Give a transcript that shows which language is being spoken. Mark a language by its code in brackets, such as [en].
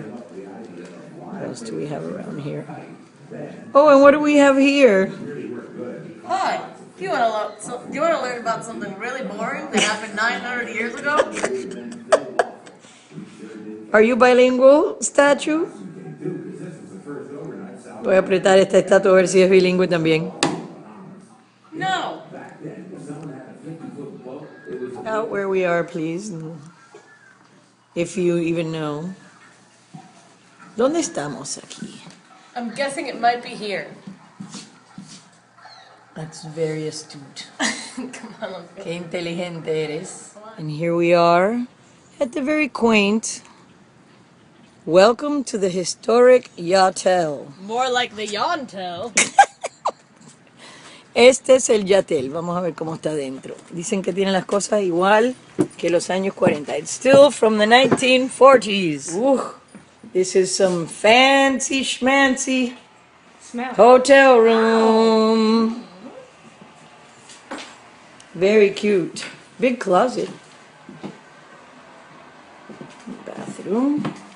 [en] What else do we have around here? Oh, and what do we have here? Hi. Do you want to learn about something really boring that happened 900 years ago? Are you bilingual, statue? [es] Voy a apretar esta estatua a ver si es bilingüe también. No. [en] Out where we are, please. If you even know. [es] ¿Dónde estamos aquí? [en] I'm guessing it might be here. That's very astute. Come on, I'm [es] Qué inteligente eres. [en] And here we are at the very quaint. Welcome to the historic Yachtel. More like the Yontel. [es] Este es el Yatel. Vamos a ver cómo está dentro. Dicen que tiene las cosas igual que los años 40. [en] It's still from the 1940s. Ugh, this is some fancy schmancy hotel room. Very cute. Big closet. Bathroom.